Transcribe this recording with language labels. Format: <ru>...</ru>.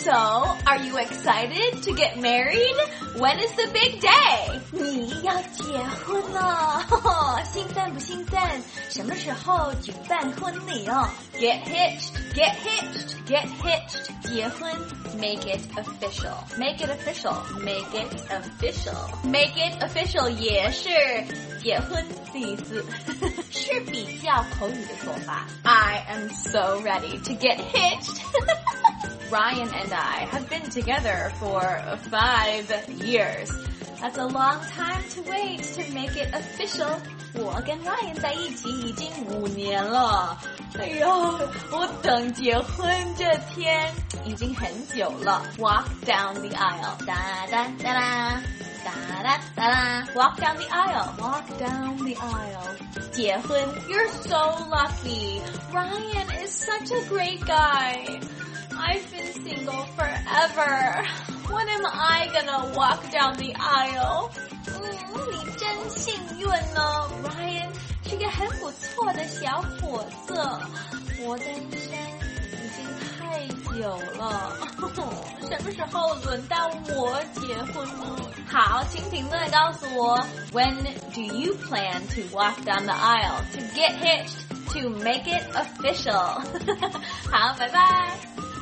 <en>So, are you excited to get married? When is the big day?</en> <zh>你要结婚了，兴奋不兴奋？什么时候举办婚礼哦？</zh> <en>Get hitched. Get hitched. Get hitched.</en> <zh>结婚</zh> <en>，make it official. Make it official. Make it official. Make it official</en> <zh>也是结婚第一次，是比较口语的说法。</zh> <en>I am so ready to get hitched. Ryan and I have been together for 5 years. That's a long time to wait to make it official.</en> <zh>我跟 Ryan 在一起已经5年了。哎呀，我等结婚这天已经很久了。</zh> <en>Walk down the aisle, da da da da, da da da da. Walk down the aisle, walk down the aisle.</en> <zh>结婚</zh> <en>，You're so lucky. Ryan is such a great guy. I've been single forever. When am I gonna walk down the aisle?</en> <zh>你真幸运呢</zh> <en>，Ryan.</en> <zh>是个很不错的小伙子，我单身已经太久了，什么时候轮到我结婚呢？好，请评论告诉我</zh> <en>，When do you plan to walk down the aisle to get hitched to make it official？</en> <zh>好，拜拜。</zh>